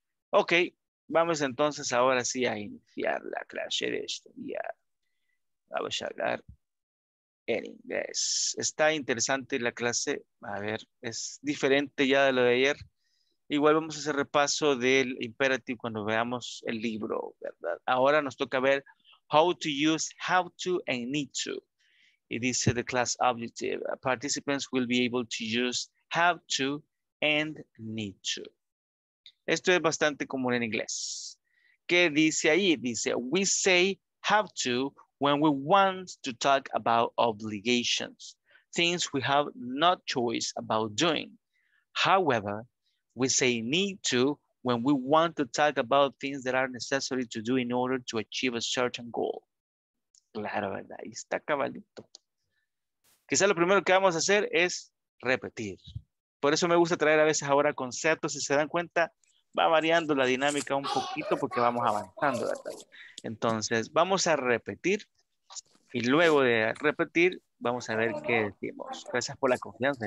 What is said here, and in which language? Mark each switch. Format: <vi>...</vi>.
<es>Ok, vamos entonces ahora sí a iniciar la clase de este día. Vamos a hablar en inglés. Está interesante la clase. A ver, es diferente ya de lo de ayer. Igual vamos a hacer repaso del imperativo cuando veamos el libro, ¿verdad? Ahora nos toca ver</es> <en>how to use have to and need to. It</en> <es>dice</es> <en>the class objective. Participants will be able to use have to and need to.</en> <es>Esto es bastante común en inglés. ¿Qué dice ahí? Dice,</es> <en>we say have to when we want to talk about obligations, things we have no choice about doing. However, we say need to when we want to talk about things that are necessary to do in order to achieve a certain goal.</en> <es>Claro, ¿verdad? Ahí está cabalito. Quizá lo primero que vamos a hacer es repetir. Por eso me gusta traer a veces ahora conceptos. Si se dan cuenta, va variando la dinámica un poquito porque vamos avanzando, ¿verdad? Entonces, vamos a repetir. Y luego de repetir, vamos a ver qué decimos. Gracias por la confianza.</es>